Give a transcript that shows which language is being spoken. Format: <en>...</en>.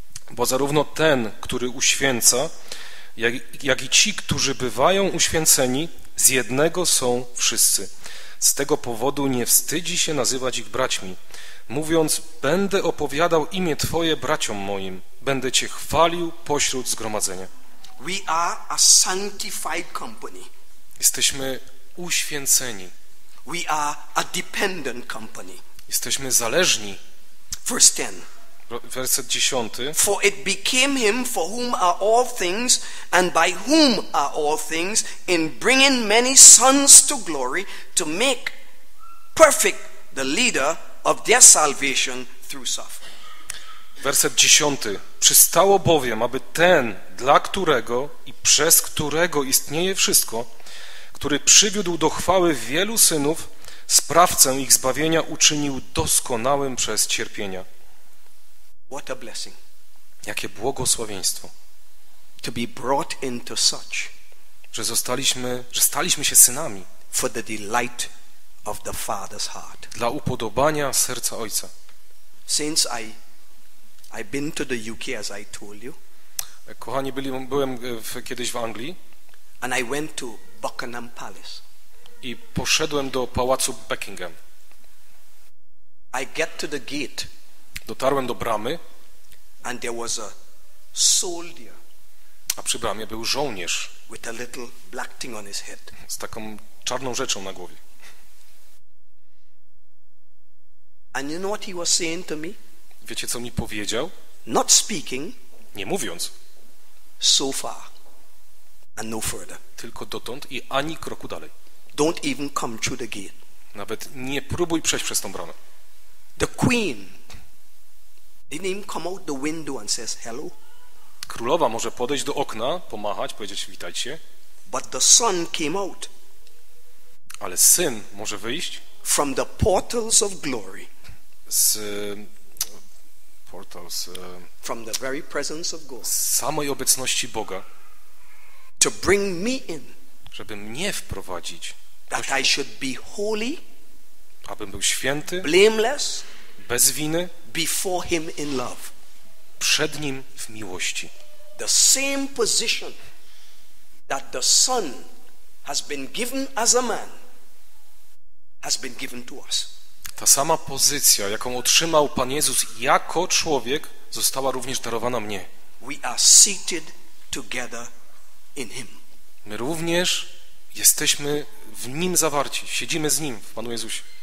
<pl>Bo zarówno ten, który uświęca, jak i ci, którzy bywają uświęceni, z jednego są wszyscy. Z tego powodu nie wstydzi się nazywać ich braćmi, mówiąc: będę opowiadał imię Twoje braciom moim, będę Cię chwalił pośród zgromadzenia.</pl> <en>We are a sanctified company.</en> <pl>Jesteśmy uświęceni.</pl> <en>We are a dependent company.</en> <pl>Jesteśmy zależni.</pl> <en>Verse 10.</en> <pl>Werset 10.</pl> <en>For it became him for whom are all things and by whom are all things in bringing many sons to glory to make perfect the leader of their salvation through suffering.</en> <pl>Werset 10. Przystało bowiem, aby ten, dla którego i przez którego istnieje wszystko, który przywiódł do chwały wielu synów, sprawcę ich zbawienia uczynił doskonałym przez cierpienia.</pl> <en>What a blessing.</en> <pl>Jakie błogosławieństwo.</pl> <en>To be brought into such.</en> <pl>Że zostaliśmy, że staliśmy się synami.</pl> <en>For the delight of the Father's heart.</en> <pl>Dla upodobania serca Ojca.</pl> <en>Since I've been to the UK, as I told you.</en> <pl>Kochani, byłem kiedyś w Anglii.</pl> <en>And I went to Buckingham Palace.</en> <pl>I poszedłem do pałacu Buckingham.</pl> <en>I get to the gate.</en> <pl>Dotarłem do bramy.</pl> <en>And there was a soldier.</en> <pl>A przy bramie był żołnierz.</pl> <en>With a little black thing on his head.</en> <pl>Z taką czarną rzeczą na głowie.</pl> <en>And you know what he was saying to me?</en> <pl>Wiecie, co mi powiedział?</pl> <en>Not speaking.</en> <pl>Nie mówiąc.</pl> <en>So far. And no further.</en> <pl>Tylko dotąd i ani kroku dalej.</pl> <en>Don't even come through the gate.</en> <pl>Nawet nie próbuj przejść przez tą bramę.</pl> <en>The queen didn't even come out the window and says hello.</en> <pl>Królowa może podejść do okna, pomachać, powiedzieć witajcie.</pl> <en>But the son came out.</en> <pl>Ale syn może wyjść.</pl> <en>From the portals of glory.</en> <pl>Z portals.</pl> <en>From the very presence of God.</en> <pl>Z samej obecności Boga.</pl> <en>To bring me in,</en> <pl>żeby mnie wprowadzić.</pl> <en>That I should be holy,</en> <pl>abym był święty,</pl> <en>blameless,</en> <pl>bez winy,</pl> <en>before him in love,</en> <pl>przed nim w miłości.</pl> <en>The same position that the Son has been given as a man has been given to us.</en> <pl>Ta sama pozycja, jaką otrzymał Pan Jezus jako człowiek, została również darowana mnie.</pl> <en>We are seated together in Him.</en> <pl>My również jesteśmy w Nim zawarci, siedzimy z Nim w Panu Jezusie.</pl>